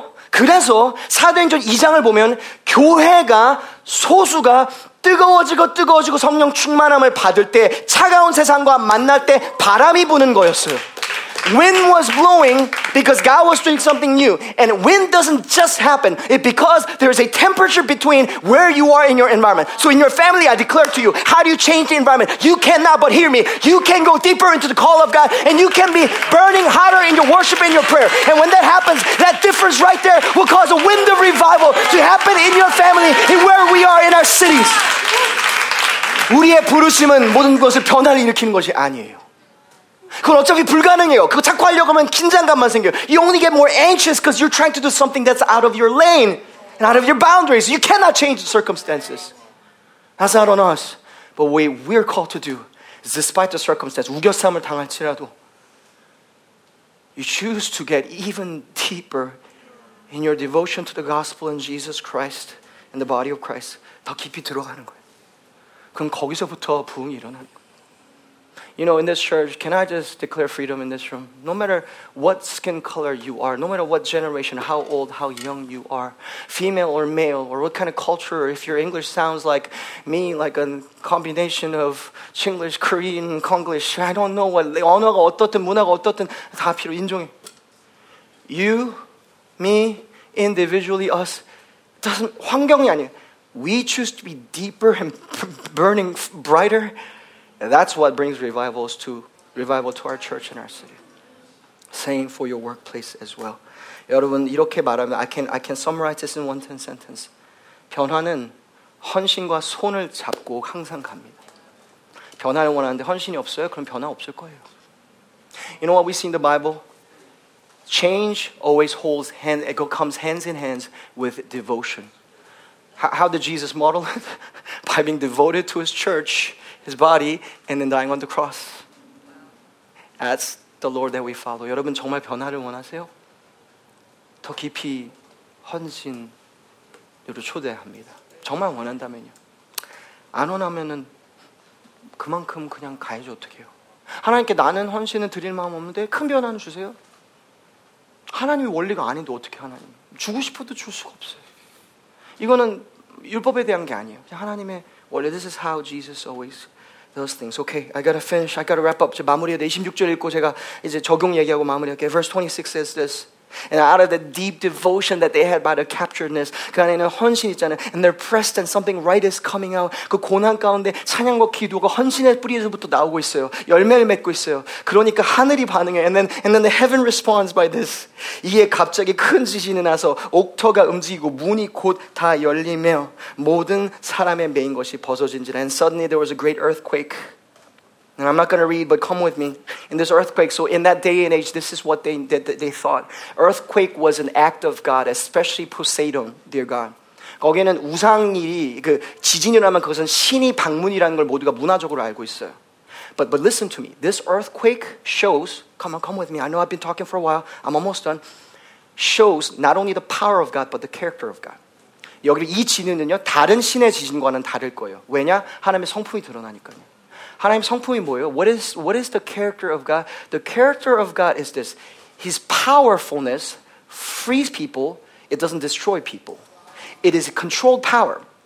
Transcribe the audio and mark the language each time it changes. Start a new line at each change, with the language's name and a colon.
Korean: 그래서 사도행전 2장을 보면 교회가 소수가 뜨거워지고 성령 충만함을 받을 때 차가운 세상과 만날 때 바람이 부는 거였어요.
English: Wind was blowing because God was doing something new. And wind doesn't just happen. It's because there's a temperature between where you are in your environment. So in your family, I declare to you, how do you change the environment? You cannot but hear me. You can go deeper into the call of God and you can be burning hotter in your worship and your prayer. And when that happens, that difference right there will cause a wind of revival to happen in your family and where we are in our cities.
Korean: 우리의 부르심은 모든 것을 변화를 일으키는 것이 아니에요. 그건 어차피 불가능해요. 그거 자꾸 하려고 하면 긴장감만 생겨요.
English: You only get more anxious because you're trying to do something that's out of your lane and out of your boundaries. You cannot change the circumstances. That's not on us. But what we're called to do is despite the circumstance,
Korean: 우겨쌈을 당할지라도
English: you choose to get even deeper in your devotion to the gospel and Jesus Christ and the body of Christ.
Korean: 더 깊이 들어가는 거예요. 그럼 거기서부터 부흥이 일어난 거예요.
English: You know, in this church, can I just declare freedom in this room? No matter what skin color you are, no matter what generation, how old, how young you are, female or male, or what kind of culture, or if your English sounds like me, like a combination of Chinglish, Korean, Konglish, I don't know what,
Korean: 언어가 어떻든 문화가 어떻든 다 필요 인종이.
English: You, me, individually, us, doesn't
Korean: 환경이 아니에요.
English: We choose to be deeper and burning brighter. And that's what brings revival to our church and our city. Same for your workplace as well.
Korean: 여러분 이렇게 말하면
English: I can summarize this in one sentence.
Korean: 변화는 헌신과 손을 잡고 항상 갑니다. 변화를 원하는데 헌신이 없어요? 그럼 변화 없을 거예요.
English: You know what we see in the Bible? Change always holds hand. It comes hands in hands with devotion. How did Jesus model it? By being devoted to his church, his body, and then dying on the cross. That's the Lord that we follow.
Korean: 여러분 정말 변화를 원하세요? 더 깊이 헌신으로 초대합니다. 정말 원한다면요. 안 원하면은 그만큼 그냥 가야죠. 어떡해요? 하나님께 나는 헌신을 드릴 마음 없는데 큰 변화는 주세요. 하나님이 원리가 아닌데 어떻게 하나님? 주고 싶어도 줄 수가 없어요. 이거는 율법에 대한 게 아니에요. 하나님의 원래
English: this is how Jesus always does things. Okay, I gotta finish. I gotta wrap up.
Korean: 제가 마무리해야 돼. 26절 읽고 제가 이제 적용 얘기하고 마무리할게요.
English: Verse 26 says this. And out of the deep devotion that they had by the capturedness,
Korean: 그 안에는 헌신 있잖아요.
English: And they're pressed and something right is coming out.
Korean: 그 고난 가운데 찬양과 기도가 헌신의 뿌리에서부터 나오고 있어요. 열매를 맺고 있어요. 그러니까 하늘이 반응해.
English: And then the heaven responds by this.
Korean: 이에 갑자기 큰 지진이 나서 옥터가 움직이고 문이 곧 다 열리며 모든 사람의 메인 것이 벗어진지라.
English: And suddenly there was a great earthquake. And I'm not going to read, but come with me. In this earthquake, so in that day and age, this is what they thought. Earthquake was an act of God, especially Poseidon, dear God.
Korean: 거기에는 우상이 그 지진이라면 그것은 신이 방문이라는 걸 모두가 문화적으로 알고 있어요.
English: But listen to me. This earthquake shows, come with me. I know I've been talking for a while. I'm almost done. Shows not only the power of God, but the character of God.
Korean: 여기 이 지진은요, 다른 신의 지진과는 다를 거예요. 왜냐? 하나님의 성품이 드러나니까요. 하나님 성품이 뭐예요?
English: What is the character of God? The character of God is this. His powerfulness frees people. It doesn't destroy people. It is a controlled power.